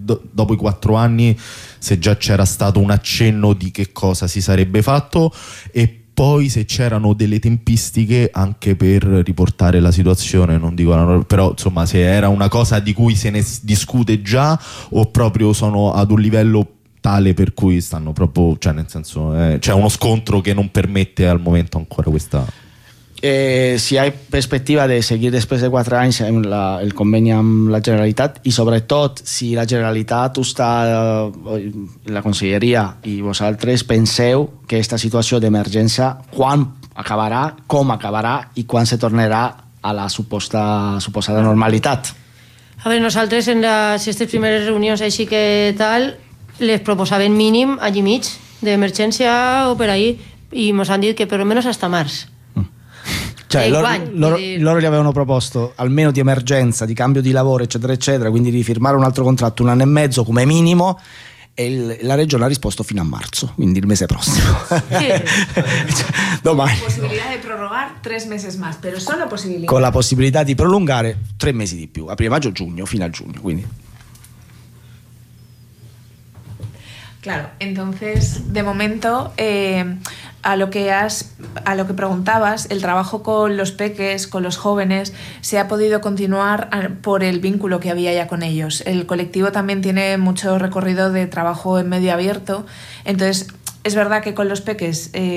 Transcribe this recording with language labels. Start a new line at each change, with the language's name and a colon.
Italian: dopo i 4 anni, se già c'era stato un accenno di che cosa si sarebbe fatto, e poi se c'erano delle tempistiche anche per riportare la situazione, non dico la norma, però insomma se era una cosa di cui se ne discute già, o proprio sono ad un livello tale per cui stanno proprio, cioè nel senso c'è uno scontro che non permette al momento ancora questa.
Spanish: Si hai perspectiva de seguir después de 4 años en el convenio la Generalitat, y sobre todo si la Generalitat está la Conselleria y
Catalan: vosaltres penseu
Spanish: que esta situación de emergencia quan acabará, com acabará y
Catalan: quan se tornarà a la suposada normalitat. A ver, nosaltres en las estas primeras reuniones així que tal les proposaven mínim any i mig d'emergència o per ahí, i ens han dit que per almenys hasta març.
Italian: Cioè, loro gli avevano proposto almeno di emergenza, di cambio di lavoro, eccetera, eccetera, quindi di firmare un altro contratto un anno e mezzo come minimo, e la regione ha risposto fino a marzo, quindi il mese prossimo. Cioè, domani. La possibilità di prorogare 3 mesi más, però solo possibilità. Con la possibilità di prolungare 3 mesi di più, aprile, maggio, giugno, fino a giugno, quindi.
Spanish: Claro, entonces, de momento, a lo que preguntabas, el trabajo con los peques, con los jóvenes, se ha podido continuar por el vínculo que había ya con ellos. El colectivo también tiene mucho recorrido de trabajo en medio abierto, entonces, es verdad que con los peques